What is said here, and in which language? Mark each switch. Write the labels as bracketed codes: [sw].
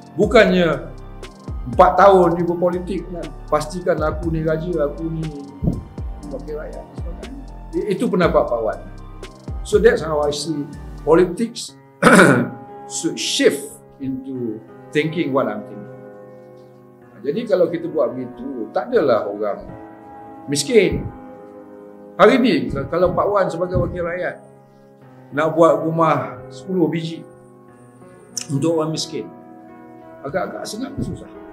[ms] Bukannya 4 tahun di berpolitik kan, pastikan aku ni raja, aku ni wakil rakyat dan sebagainya. Itu pendapat Pak Wan. [en] So that's how I see politics should shift into thinking what I'm thinking. [ms] Jadi kalau kita buat begitu, tak adalah orang miskin. Hari ni kalau Pak Wan sebagai wakil rakyat nak buat rumah 10 biji untuk orang miskin, agak-agak senang ke susah?